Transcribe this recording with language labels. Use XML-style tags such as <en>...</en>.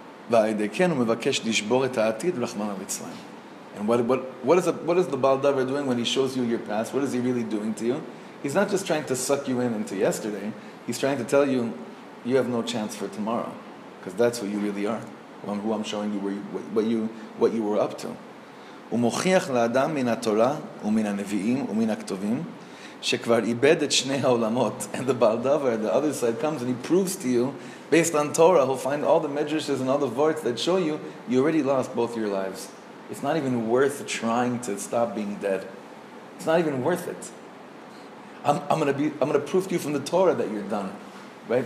<en>And what is the Baal Davar doing when he shows you your past? What is he really doing to you? He's not just trying to suck you in into yesterday. He's trying to tell you, you have no chance for tomorrow, because that's who you really are. Who I'm showing you, what you were up to.</en> <he>ומוכיח לאדם מן התורה ומן הנביאים ומן הכתובים שכבר איבד את שני העולמות.</he> <en>And the Baal Davar, the other side, comes and he proves to you, based on Torah, he'll find all the medrashes and all the vorts that show you, you already lost both your lives. It's not even worth trying to stop being dead. It's not even worth it. I'm gonna prove to you from the Torah that you're done. Right?</en>